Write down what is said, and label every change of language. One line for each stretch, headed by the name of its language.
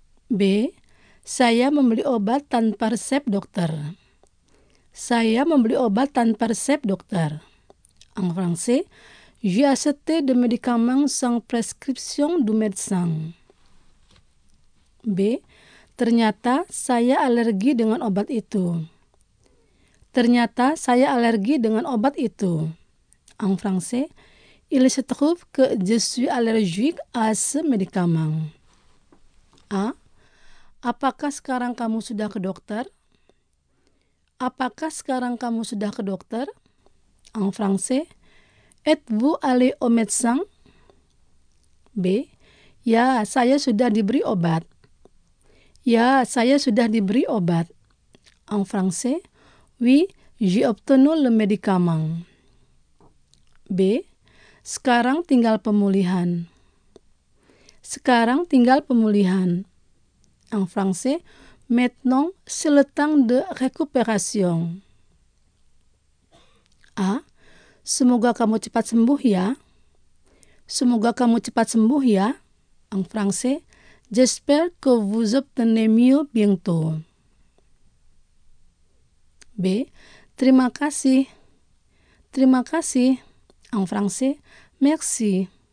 Indonesian: B. Saya membeli obat tanpa resep dokter. Saya membeli obat tanpa resep, dokter.
French: En français, j'ai acheté des médicaments sans prescription du médecin. B.
Indonesian: Ternyata saya alergi dengan obat itu. Ternyata saya alergi dengan obat itu.
French: En français, il se trouve que je suis allergique à ce médicament. A.
Indonesian: Apakah sekarang kamu sudah ke dokter? Apakah sekarang kamu sudah ke dokter?
French: En français, êtes-vous allé au médecin? B.
Indonesian: Ya, saya sudah diberi obat. Ya, saya sudah diberi obat.
French: En français, oui, j'ai obtenu le médicament. B.
Indonesian: Sekarang tinggal pemulihan. Sekarang tinggal pemulihan.
French: En français, maintenant c'est le temps de récupération. A.
Indonesian: Semoga kamu cepat sembuh ya. Semoga kamu cepat sembuh ya.
French: En français, j'espère que vous obtenez mieux bientôt. B.
Indonesian: Terima kasih. Terima kasih.
French: En français, merci.